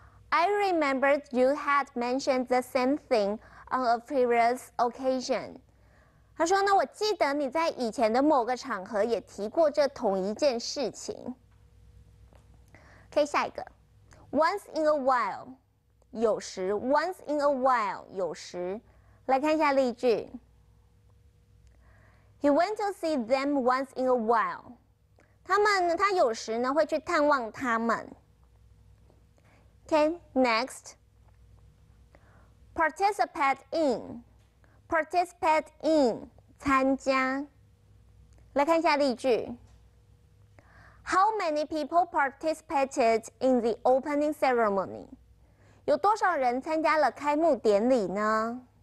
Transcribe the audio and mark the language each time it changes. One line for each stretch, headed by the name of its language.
English: I remember you had mentioned the same thing on a previous occasion.
Chinese: 他说呢，我记得你在以前的某个场合也提过这同一件事情。
English: OK,
Chinese: 下一个。
English: Once in a while,
Chinese: 有时。
English: Once in a while,
Chinese: 有时。来看一下例句。
English: He went to see them once in a while.
Chinese: 他们呢，他有时呢会去探望他们。
English: Okay, next, participate in,
Chinese: 参加。来看一下例句。
English: How many people participated in the opening ceremony?
Chinese: 有多少人参加了开幕典礼呢？